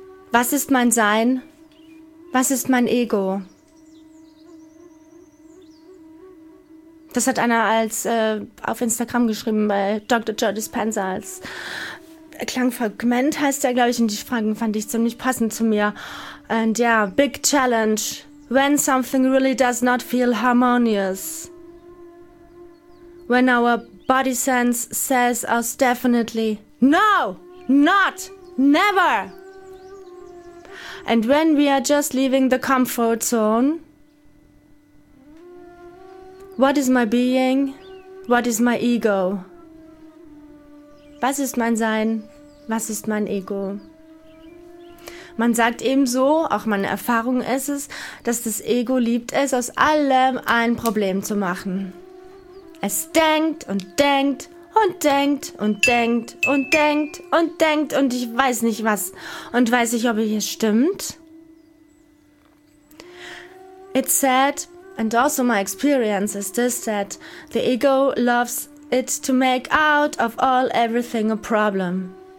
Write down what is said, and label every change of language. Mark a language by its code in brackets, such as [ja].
[de] Was ist mein Sein? Was ist mein Ego? Das hat einer als auf Instagram geschrieben bei Dr. Joe Dispenza als Klangfragment heißt der, glaube ich, und die Fragen fand ich ziemlich passend zu mir. Und ja, [en] big challenge. When something really does not feel harmonious. When our body sense says us definitely no, not, never. And when we are just leaving the comfort zone, what is my being? What is my ego? [de] Was ist mein Sein? Was ist mein Ego? Man sagt ebenso, auch meine Erfahrung ist es, dass das Ego liebt es, aus allem ein Problem zu machen. Es denkt und denkt und denkt und denkt und denkt und denkt und ich weiß nicht was und weiß nicht, ob es stimmt. [en] It said, and also my experience is this, that the ego loves it to make out of all everything a problem.